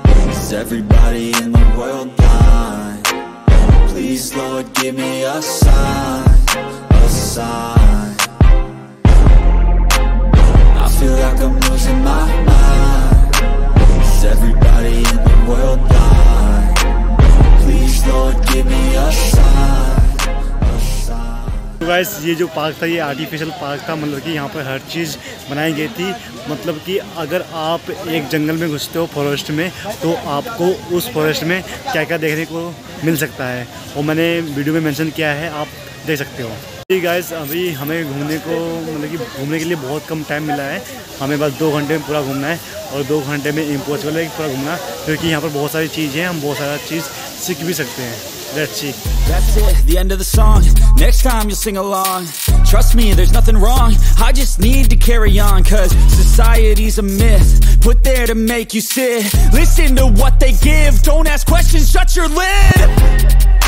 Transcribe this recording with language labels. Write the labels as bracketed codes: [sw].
[en] Is everybody in the world blind? Please, Lord, give me a sign, a sign. I feel like I'm losing my mind. Is everybody in the world blind? Please, Lord, give me a sign, a sign. [hi] Guys, ये जो park था ये artificial park था, मतलब कि यहाँ पर हर चीज बनाई गई थी। मतलब कि अगर आप एक जंगल में घुसते हो फॉरेस्ट में, तो आपको उस फॉरेस्ट में क्या क्या देखने को मिल सकता है वो मैंने वीडियो में मेंशन किया है, आप देख सकते हो। जी गाइस, अभी हमें घूमने को मतलब कि घूमने के लिए बहुत कम टाइम मिला है, हमें बस 2 घंटे में पूरा घूमना है और 2 घंटे में इम्पॉसिबल है पूरा घूमना, क्योंकि यहाँ पर बहुत सारी चीज़ें हैं, हम बहुत सारा चीज़ सीख भी सकते हैं। [en] That's it, the end of the song. Next time you'll sing along. Trust me, there's nothing wrong. I just need to carry on. Cause society's a myth, put there to make you sit. Listen to what they give. Don't ask questions, shut your lid.